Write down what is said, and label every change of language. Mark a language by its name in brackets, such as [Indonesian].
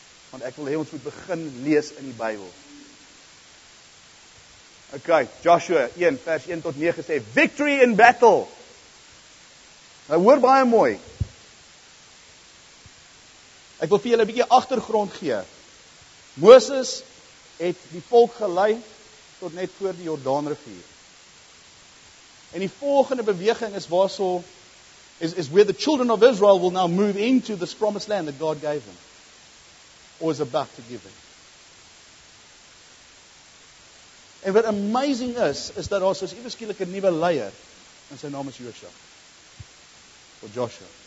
[Afrikaans] Want ek wil hê ons moet begin lees in die Bybel. Okay, Joshua 1 vers 1 tot 9 sê, [English] victory in battle. [Afrikaans] Nou hoor baie mooi. Ek wil vir julle 'n bietjie agtergrond gee. Moses het die volk gelei tot net voor die Jordaanrivier. En die volgende beweging is is [English] where the children of Israel will now move into this promised land that God gave them. Or is about to give them. [Afrikaans] En wat amazing is dat ons is iewers skielik 'n nuwe leier en sy naam is Joshua. Of Joshua.